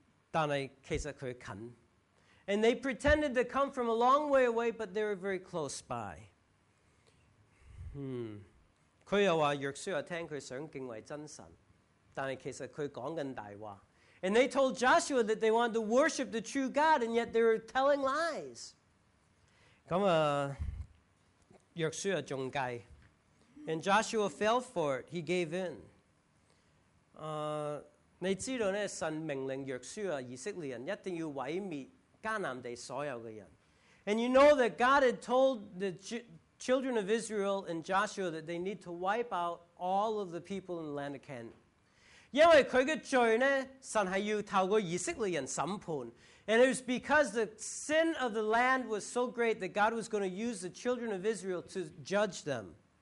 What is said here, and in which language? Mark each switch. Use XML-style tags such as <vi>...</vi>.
<zh>他是假装远方,但是其实他近。</zh> <en>And they pretended to come from a long way away, but they were very close by.</en> <zh>他又说约书亚听他想敬畏真神,但是其实他讲大话。</zh> <en>And they told Joshua that they wanted to worship the true God, and yet they were telling lies.</en> <zh>约书亚中计,</zh> <en>and Joshua fell for it. He gave in.</en> <zh>你知道呢,神命令约书亚,以色列人一定要毁灭迦南地所有的人。</zh> <en>And you know that God had told the children of Israel and Joshua that they need to wipe out all of the people in the land of Canaan.</en> <zh>因为他的罪呢,神是要透过以色列人审判。</zh> <en>And it was because the sin of the land was so great that God was going to use the children of Israel to judge them.</en>